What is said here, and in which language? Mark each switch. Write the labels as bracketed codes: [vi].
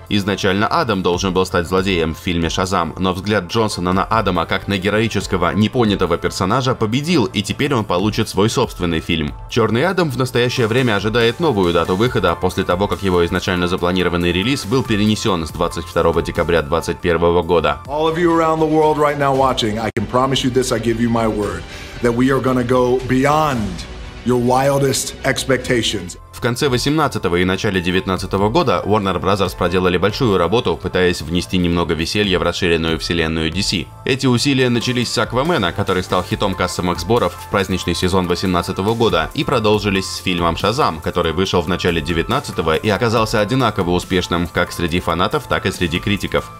[ru] Изначально Адам должен был стать злодеем в фильме «Шазам», но взгляд Джонсона на Адама как на героического непонятого персонажа победил, и теперь он получит свой собственный фильм. Черный Адам в настоящее время ожидает новую дату выхода после того, как его изначально запланированный релиз был перенесен с 22 декабря 2021 года. [en] All of you around the world right now watching, I can promise you this, I give you my word, that we are gonna go beyond your wildest expectations. [ru] В конце 18 и начале 19 года Warner Bros. Проделали большую работу, пытаясь внести немного веселья в расширенную вселенную DC. Эти усилия начались с Аквамена, который стал хитом кассовых сборов в праздничный сезон 18 года, и продолжились с фильмом Шазам, который вышел в начале 19 и оказался одинаково успешным как среди фанатов, так и среди критиков.